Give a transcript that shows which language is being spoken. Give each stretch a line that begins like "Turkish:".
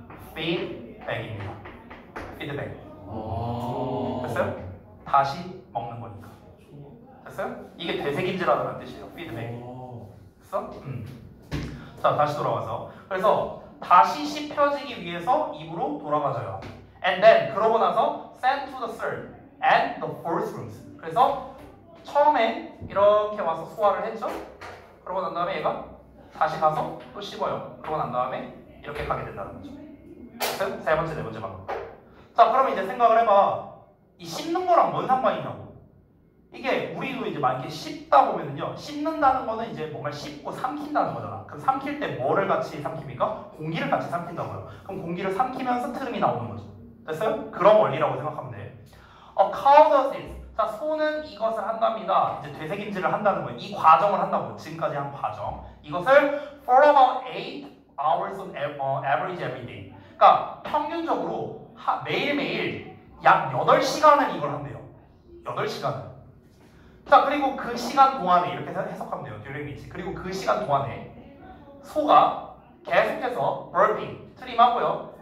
Korean: Feedback입니다. Feedback. 됐어요? 다시 먹는 거니까. 됐어요? 이게 되새김질하다는 뜻이에요. Feedback. 됐어? 자, 다시 돌아와서. 그래서 다시 씹혀지기 위해서 입으로 돌아가져요.
English: And then,
Korean: 그러고 나서
English: send to the third and the fourth rooms.
Korean: 그래서 처음에 이렇게 와서 소화를 했죠? 그러고 난 다음에 얘가 다시 가서 또 씹어요. 그러고 난 다음에 이렇게 가게 된다는 거죠. 세 번째, 네 번째 방. 자, 그럼 이제 생각을 해봐. 이 씹는 거랑 뭔 상관이냐고. 이게 우리도 이제 만약에 씹다 보면은요. 씹는다는 거는 이제 뭔가 씹고 삼킨다는 거잖아. 그럼 삼킬 때 뭐를 같이 삼킵니까? 공기를 같이 삼킨다고요. 그럼 공기를 삼키면서 트름이 나오는 거죠. 됐어요? 그런 원리라고 생각하면 돼.
English: A cow does this.
Korean: 자, 소는 이것을 한답니다. 이제 되새김질을 한다는 거예요. 이 과정을 한다고. 지금까지 한 과정.
English: 이것을 for about 8 hours on average every day.
Korean: 그러니까 평균적으로 매일매일 약 8시간을 이걸 한대요. 8시간을. 자 그리고 그 시간 동안에 이렇게 해석하면 돼요. 듀레미치. 그리고 그 시간 동안에 소가 계속해서 burping, 트림하고요.